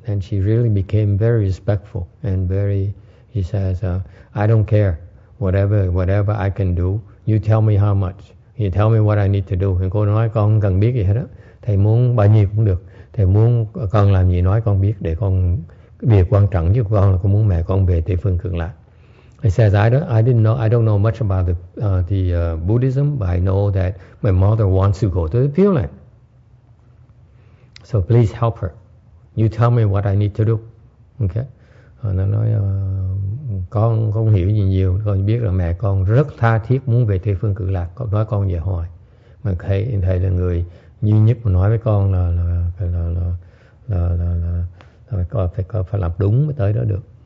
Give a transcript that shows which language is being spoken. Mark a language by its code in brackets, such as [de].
[en] And she really became very respectful and very, she says, I don't care whatever I can do, you tell me how much, you tell me what I need to do. [vi] And cô nói con không cần biết gì hết á, thầy muốn bao nhiêu cũng được, thầy muốn con làm gì nói con biết, để con việc quan trọng nhất của con là con muốn mẹ con về Tây Phương Cực Lạc. [en] He says, I don't know much about the Buddhism, but I know that my mother wants to go to the Pure Land. So please help her. You tell me what I need to do. Okay. [vi] Nó nói con không hiểu gì nhiều, con biết là mẹ con rất tha thiết muốn về Tây Phương Cực Lạc. Con nói con về hỏi. Mà thầy là người duy nhất mà nói với con là phải làm đúng mới tới đó được.